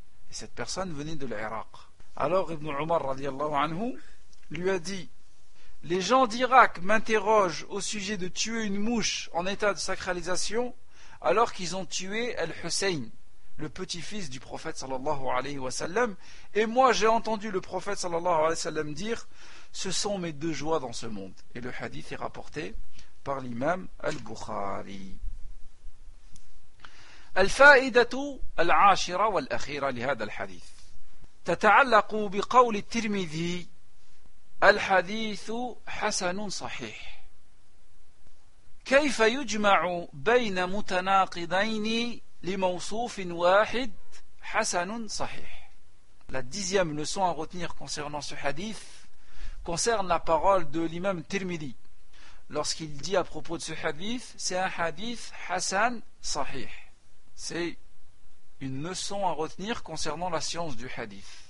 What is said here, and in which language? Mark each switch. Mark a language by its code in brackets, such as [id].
[fr] Et cette personne venait de l'Irak. Alors Ibn Umar radiallahu anhu lui a dit: les gens d'Irak m'interrogent au sujet de tuer une mouche en état de sacralisation alors qu'ils ont tué Al-Hussein, le petit-fils du prophète sallallahu alayhi wa sallam, et moi j'ai entendu le prophète sallallahu alayhi wa sallam dire: ce sont mes deux joies dans ce monde. Et le hadith est rapporté par l'imam Al-Bukhari. [ar] الفائدة العاشرة والأخيرة لهذا الحديث تتعلق بقول الترمذي الحديث حسن صحيح كيف يجمع بين متناقضين لموصوف واحد حسن صحيح. [fr] La dixième leçon à retenir concernant ce hadith concerne la parole de l'imam Tirmidhi lorsqu'il dit à propos de ce hadith: c'est un hadith hasan sahih. C'est une leçon à retenir concernant la science du hadith.